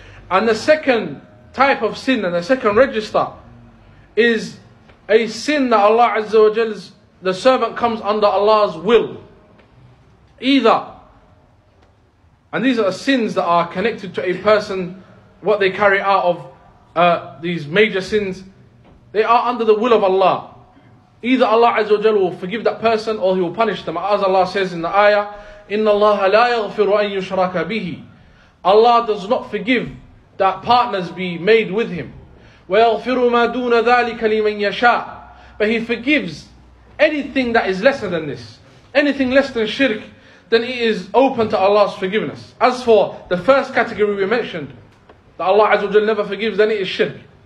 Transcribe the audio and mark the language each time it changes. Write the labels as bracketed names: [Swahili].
[English] And the second type of sin, and the second register, is a sin that Allah Azza wa Jalla's, the servant comes under Allah's will. Either, and these are sins that are connected to a person, what they carry out of these major sins, they are under the will of Allah. Either Allah Azza wa Jalla will forgive that person or He will punish them. As Allah says in the ayah, إِنَّ اللَّهَ لَا يَغْفِرُ أَن يُشْرَكَ بِهِ. Allah does not forgive that partners be made with Him. [Arabic] وَيَغْفِرُ مَا دُونَ ذَٰلِكَ لِمَنْ يَشَاءُ. [English] But He forgives anything that is lesser than this, anything less than shirk, then it is open to Allah's forgiveness. As for the first category we mentioned, that Allah Azza wa Jalla never forgives, then it is shirk.